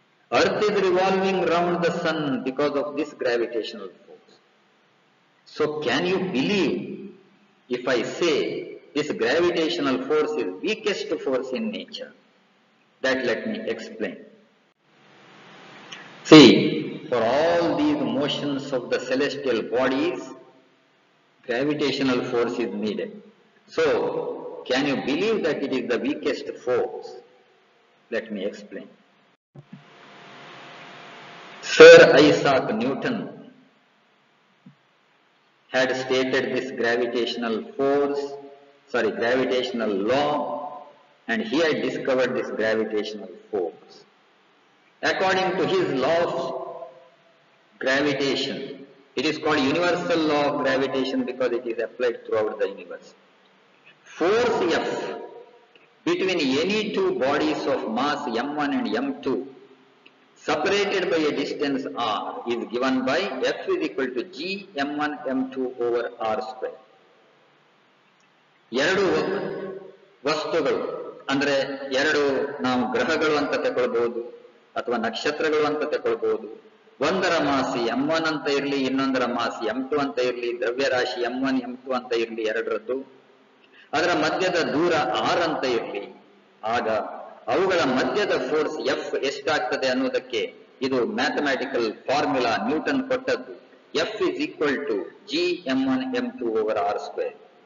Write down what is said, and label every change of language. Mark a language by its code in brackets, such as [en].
[en] Earth is revolving round the sun because of this gravitational force so can you believe if I say this gravitational force is weakest force in nature that let me explain see for all these motions of the celestial bodies gravitational force is needed. So, can you believe that it is the weakest force? Let me explain. Sir Isaac Newton had stated this gravitational force, sorry, gravitational law, and he had discovered this gravitational force. According to his law of gravitation, it is called universal law of gravitation because it is applied throughout the universe. Force F between any two bodies of mass M1 and M2 separated by a distance r is given by F is equal to g m1 m2 over r square. [kn] ಎರಡು ವಸ್ತುಗಳು ಅಂದ್ರೆ ಎರಡು ನಾವು ಗ್ರಹಗಳು ಅಂತ ತಗೊಳ್ಳಬಹುದು ಅಥವಾ ನಕ್ಷತ್ರಗಳು ಅಂತ ತಗೊಳ್ಳಬಹುದು ಒಂದರ ಮಾಸಿ M1 ಅಂತ ಇರಲಿ ಇನ್ನೊಂದರ ಮಾಸಿ M2 ಅಂತ ಇರಲಿ ದ್ರವ್ಯರಾಶಿ M1 M2 ಅಂತ ಇರಲಿ ಎರಡರದ್ದು ಅದರ ಮಧ್ಯದ ದೂರ R ಅಂತ ಇರಲಿ ಆಗ ಅವುಗಳ ಮಧ್ಯದ ಫೋರ್ಸ್ F ಎಷ್ಟಾಗ್ತದೆ ಅನ್ನೋದಕ್ಕೆ ಇದು ಮ್ಯಾಥಮ್ಯಾಟಿಕಲ್ ಫಾರ್ಮುಲಾ ನ್ಯೂಟನ್ ಕೊಟ್ಟದ್ದು [en] F is equal to G M1 M2 over R square